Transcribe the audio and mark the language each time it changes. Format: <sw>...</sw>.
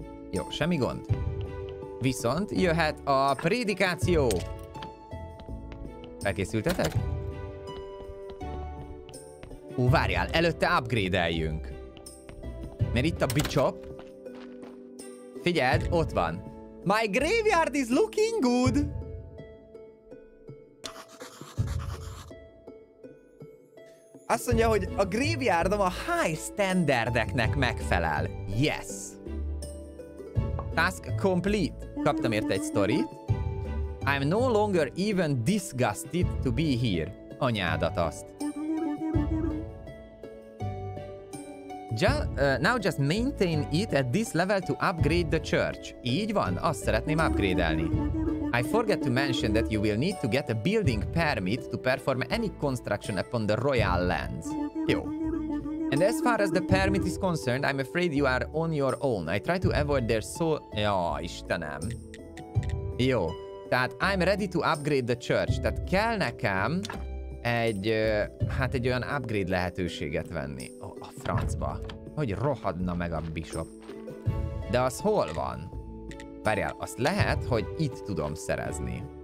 <hu>Jó, semmi gond. Viszont jöhet a prédikáció. Elkészültetek? Ú, várjál, előtte upgrade-eljünk. Mert itt a bicsop. Figyeld, ott van.</hu> <en>My graveyard is looking good.</en> <hu>Azt mondja, hogy a graveyardom a high standardeknek megfelel.</hu> <en>Yes. Task complete.</en> <hu>Kaptam érte egy sztorit.</hu> <en>I'm no longer even disgusted to be here.</en> <hu>Anyádat azt.</hu> <en>Now just maintain it at this level to upgrade the church.</en> <hu>Így van, azt szeretném upgrade-elni.</hu> <en>I forget to mention that you will need to get a building permit to perform any construction upon the royal lands.</en> <hu>Jó.</hu> <en>And as far as the permit is concerned, I'm afraid you are on your own. I try to avoid their soul...</en> <hu>Ja, Istenem. Jó.</hu> <en>Tehát I'm ready to upgrade the church.</en> <hu>Tehát kell nekem egy... hát egy olyan upgrade lehetőséget venni. A francba. Hogy rohadna meg a bishop. De az hol van? Várjál, azt lehet, hogy itt tudom szerezni.</hu>